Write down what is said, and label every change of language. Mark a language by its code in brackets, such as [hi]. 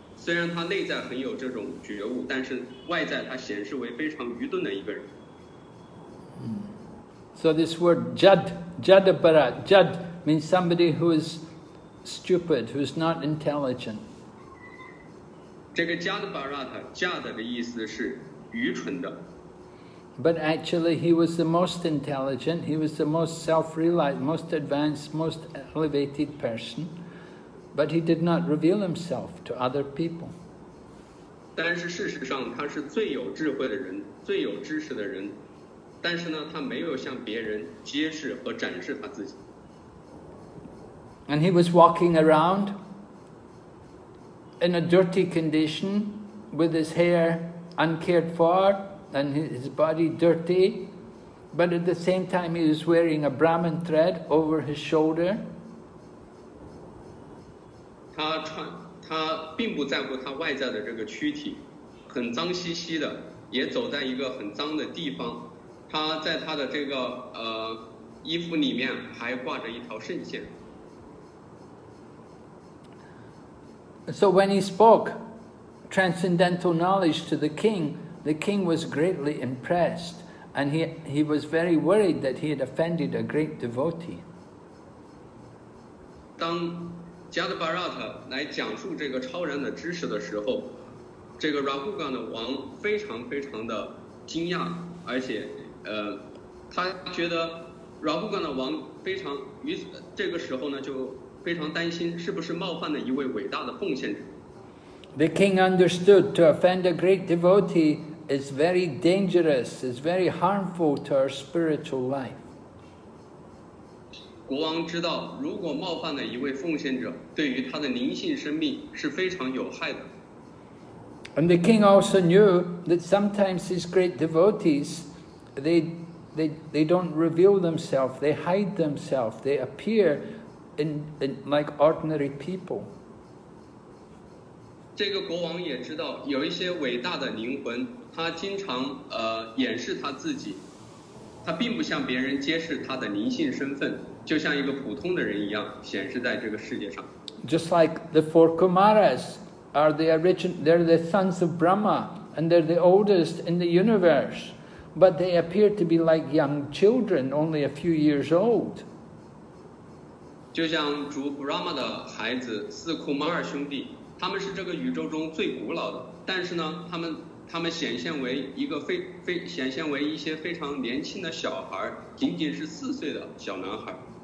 [zh] 虽然他内在很有这种觉悟，但是外在他显示为非常愚钝的一个人。 [en] So this word jad means somebody who is stupid, who is not intelligent. [zh] 这个 jad 的意思是愚蠢的。 [en] But actually he was the most intelligent, he was the most self-realized, most advanced, most elevated person, but he did not reveal himself to other people. [zh] 但是事实上他是最有智慧的人，最有知识的人。但是呢，他没有向别人揭示和展示他自己。 [en] And he was walking around in a dirty condition, with his hair uncared for and his body dirty, but at the same time he was wearing a Brahmin thread over his shoulder. [zh] 他并不在乎他外在的这个躯体，很脏兮兮的，也走在一个很脏的地方。他在他的这个衣服里面还挂着一条圣线。 [en] So when he spoke transcendental knowledge to the king was greatly impressed, and he was very worried that he had offended a great devotee. [zh] 当 Jadabharat 来讲述这个超然的知识的时候，这个 Raghugan 的王非常非常的惊讶，而且。他觉得 Raghugan 的王非常于这个时候呢就非常担心是不是冒犯了一位伟大的奉献者。 [en] The king understood to offend a great devotee is very dangerous, is very harmful to our spiritual life. [zh] 国王知道如果冒犯了一位奉献者对于他的灵性生命是非常有害的。 [en] And the king also knew that sometimes his great devotees,They don't reveal themselves, they hide themselves, they appear in like ordinary people. [zh] 这个国王也知道有一些伟大的灵魂他经常掩饰他自己，他并不向别人揭示他的灵性身份，就像一个普通的人一样显示在这个世界上。 [en] Just like the four Kumaras are the origin, they're the sons of Brahma and they're the oldest in the universe. But they appear to be like young children, only a few years old. [zh] 就像主 Brahma 的孩子四库马尔兄弟，他们是这个宇宙中最古老的，但是呢，他们显现为一个显现为一些非常年轻的小孩，仅仅是四岁的小男孩。